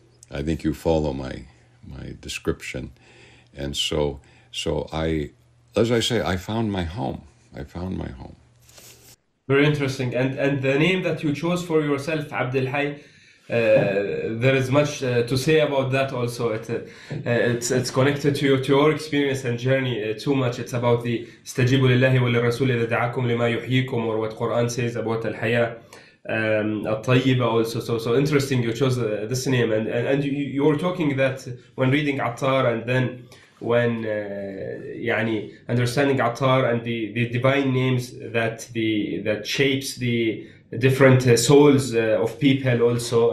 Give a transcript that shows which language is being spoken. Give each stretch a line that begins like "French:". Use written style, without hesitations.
English: I think you follow my description. And so I, as I say, I found my home. I found my home. Very interesting. And the name that you chose for yourself, Abdul Hayy, there is much to say about that also. It's connected to your experience and journey too much. It's about the
Arabic: استجيبوا لله وللرسول إذا دعاكم لما يحييكم,
English: or what Quran says about
Arabic: الحياة الطيبة
English: also. So interesting you chose this name. And you were talking that when reading Attar, and then when
Arabic: يعني
English: understanding Attar and the divine names that shapes the different souls of people also.